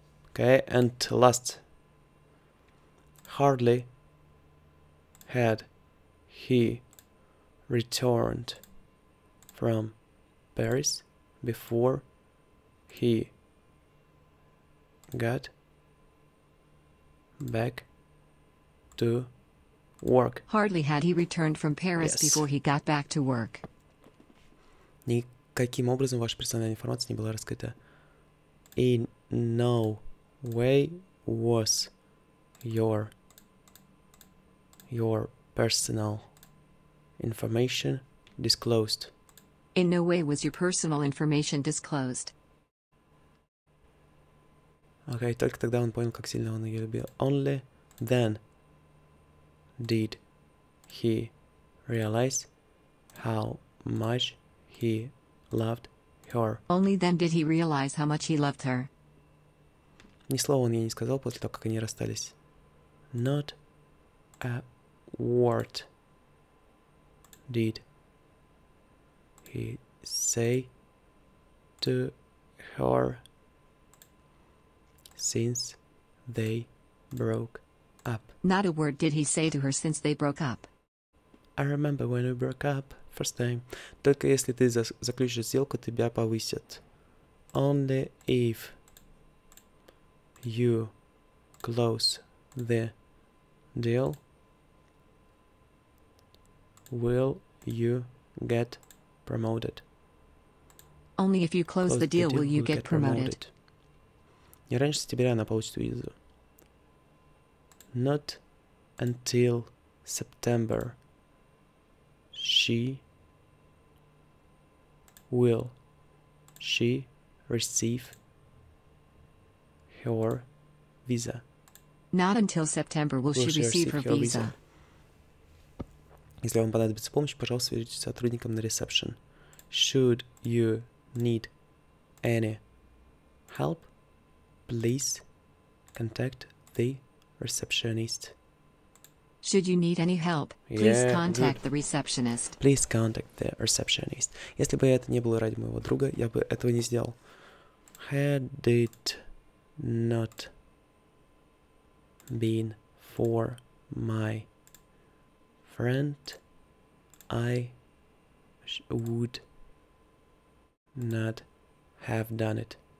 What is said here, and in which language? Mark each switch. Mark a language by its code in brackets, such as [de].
[en] Okay, and last. Hardly had he returned from Paris before he got back to work. Hardly had he returned from Paris before he got back to work. [ru] Никаким образом ваша персональная информация не была раскрыта. [en] In no way was your personal information disclosed. In no way was your personal information disclosed. [ru] Okay, только тогда он понял, как сильно он ее любил. [en] Only then did he realize how much he loved her. Only then did he realize how much he loved her. [ru] Ни слова он ей не сказал после того, как они расстались. [en] Not a word did he say to her since they broke up. Not a word did he say to her since they broke up. I remember when we broke up first time. [ru] Только если ты заключишь сделку, тебя повысят. [en] Only if you close the deal will you get promoted. Only if you close the deal will you get promoted. [ru] Не раньше сентября она получит визу. [en] Not until September she will she receive her visa. Not until September will she receive her visa. [ru] Если вам понадобится помощь, пожалуйста, свяжитесь с сотрудником на ресепшн. [en] Should you need any help, please contact the receptionist. Should you need any help, please contact the receptionist. Please contact the receptionist. [ru] Если бы это не было ради моего друга, я бы этого не сделал. [en] Had it not been for my friend, I would not have done it.